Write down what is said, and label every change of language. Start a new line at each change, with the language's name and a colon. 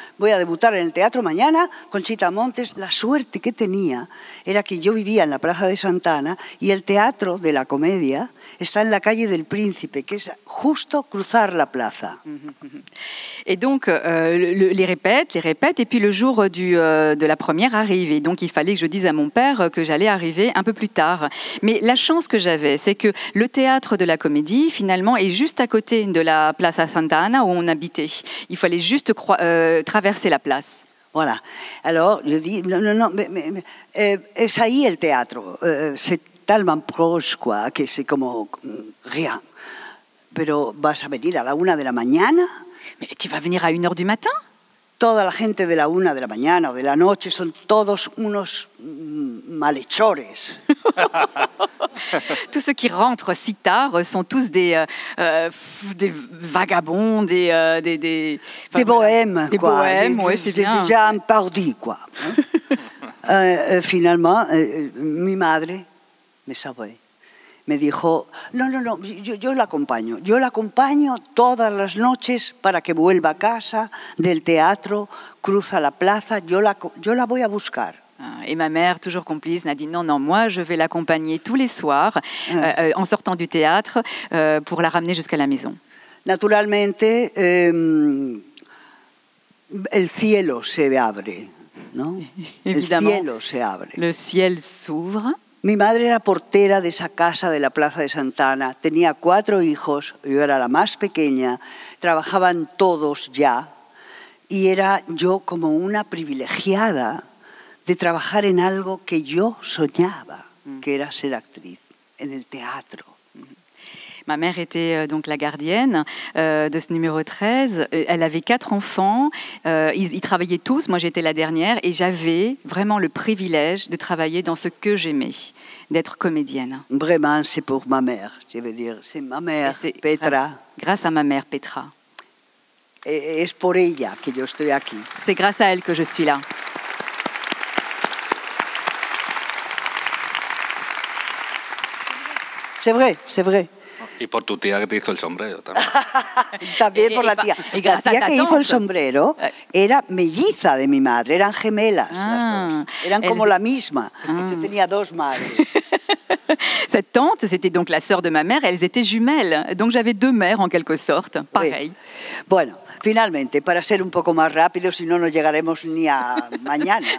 Spanish: Voy a debutar en el teatro mañana con Chita Montes. La suerte que tenía era que yo vivía en la Plaza de Santana y el teatro de la comedia está en la calle del Príncipe, que es justo cruzar la plaza.
French: Et donc les répètes et puis le jour de la première arrive et donc il fallait que je dise à mon père que j'allais arriver un peu plus tard. Mais la chance que j'avais, c'est que le théâtre de la comédie finalement est juste à côté de la Plaza Santana où on habitait. Il fallait juste traverser la place. Voilà. Alors, je dis c'est
Spanish: ahí el teatro.
French: C'est tellement proche, quoi, que c'est comme rien.
Spanish: Pero vas a venir a la 1 de la mañana.
French: Mais tu vas venir à 1 heure du matin?
Spanish: Toda la gente de la 1 de la mañana o de la noche son todos unos malhechores.
French: Tous ceux qui rentrent si tard sont tous des vagabonds, des bohèmes. Des bohèmes, oui, c'est bien. Déjà un pardi, quoi. Finalement,
Spanish: mi madre
French: me sauvé.
Spanish: Me dijo, no, yo la acompaño todas las noches para que vuelva a casa del teatro, cruza la plaza, yo la voy a buscar.
French: Ah, et ma mère, toujours complice, m'a dit, non, moi je vais l'accompagner tous les soirs en sortant du théâtre pour la ramener jusqu'à la maison.
Spanish: Naturalmente, el cielo se abre, ¿no?
French: Évidemment,
Spanish: el cielo se abre.
French: Le ciel s'ouvre.
Spanish: Mi madre era portera de esa casa de la Plaza de Santana. Tenía 4 hijos, yo era la más pequeña. Trabajaban todos ya y era yo como una privilegiada de trabajar en algo que yo soñaba, que era ser actriz, en el teatro.
French: Ma mère était donc la gardienne de ce numéro 13. Elle avait 4 enfants. Ils travaillaient tous. Moi, j'étais la dernière. Et j'avais vraiment le privilège de travailler dans ce que j'aimais, d'être comédienne. Vraiment, c'est pour ma mère. Je veux dire, c'est ma mère, c'est Petra. Grâce à ma mère, Petra. Et c'est pour elle que je suis ici. C'est grâce à elle que je suis là. C'est vrai.
Spanish: Y por tu tía que te hizo el sombrero también. También por la tía. La tía que hizo el sombrero era melliza de mi madre, eran gemelas las dos. Eran como la misma. Yo tenía dos madres.
French: Cette tante, c'était donc la sœur de ma mère, elles étaient jumelles. Donc j'avais deux mères en quelque sorte, pareil. Oui.
Spanish: Bueno, finalmente, para ser un poco más rápido, si no, no llegaremos ni a mañana.